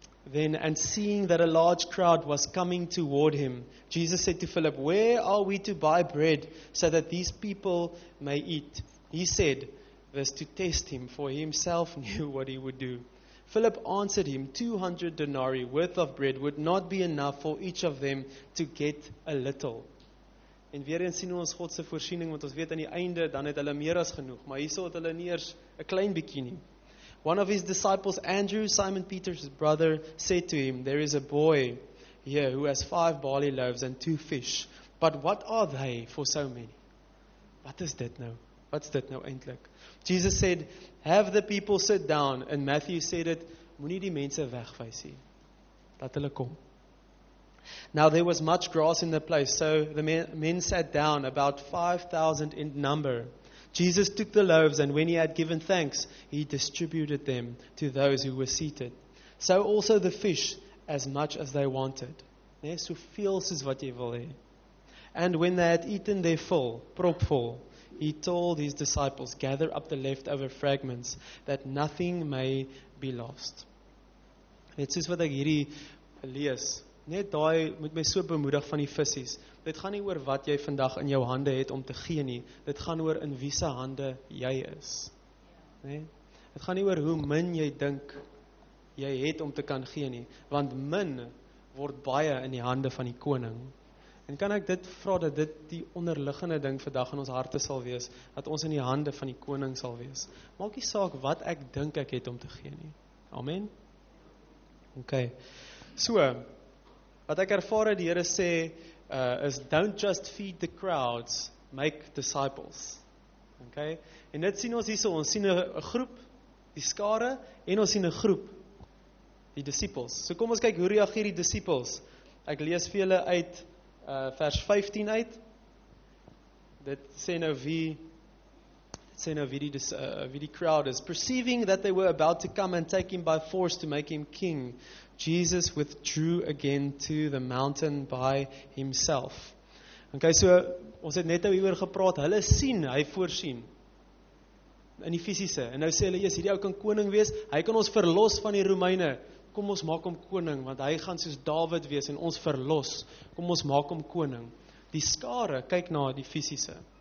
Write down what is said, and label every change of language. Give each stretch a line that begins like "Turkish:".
English: Then, and seeing that a large crowd was coming toward him, Jesus said to Philip, "Where are we to buy bread so that these people may eat?" He said this to test him, for he himself knew what he would do. Philip answered him, 200 denarii worth of bread would not be enough for each of them to get a little.
Afrikaans: En weer eens sien ons God se voorsiening, want ons weet aan die einde, dan het hulle meer as genoeg, maar hier het hulle nie eers 'n klein bietjie nie.
English: One of his disciples, Andrew, Simon Peter's brother, said to him, "There is a boy here who has 5 barley loaves and 2 fish, but what are they for so many?"
Afrikaans: Wat is dit nou?
English: What's that now,
Afrikaans: eintlik?
English: Jesus said, "Have the people sit down." And Matthew said it,
Afrikaans: "Moenie die mense wegwys nie. Laat hulle kom."
English: Now there was much grass in the place, so the men sat down, about 5,000 in number. Jesus took the loaves, and when he had given thanks, he distributed them to those who were seated. So also the fish, as much as they wanted.
Afrikaans: Nee, so veel soos wat jy wil hê.
English: And when they had eaten their full,
Afrikaans: propvol,
English: he told his disciples, "Gather up the leftover fragments, that nothing may be lost."
Afrikaans: Net soos wat ek hierdie lees, net daai moet my so bemoedig van die vissies. Dit gaan nie oor wat jy vandag in jou hande het om te gee nie. Dit gaan oor in wie se hande jy is. Nee? Dit gaan nie oor hoe min jy dink jy het om te kan gee nie. Want min word baie in die hande van die koning. En kan ek dit vra dat dit die onderliggende ding vandag in ons harte sal wees, dat ons in die hande van die koning sal wees. Maak nie saak wat ek dink ek het om te gee nie. Amen? Ok. So, wat ek ervaar het, die Here sê, is
English: don't just feed the crowds, make disciples.
Afrikaans: Ok. En dit sien ons hier so, ons sien een groep, die skare, en ons sien een groep, die disciples. So kom ons kyk, hoe reageer die disciples? Ek lees vir julle uit, vers 15 uit, dit sê nou wie die crowd is.
English: Perceiving that they were about to come and take him by force to make him king, Jesus withdrew again to the mountain by himself.
Afrikaans: Ok, so, ons het net nou hier oor gepraat, hulle sien, hy voorsien, in die fysische, en nou sê hulle, jy, hierdie ou kan koning wees, hy kan ons verlos van die Romeine, kom ons maak hom koning, want hy gaan soos David wees en ons verlos. Kom ons maak hom koning. Die skare kyk na die fisiese.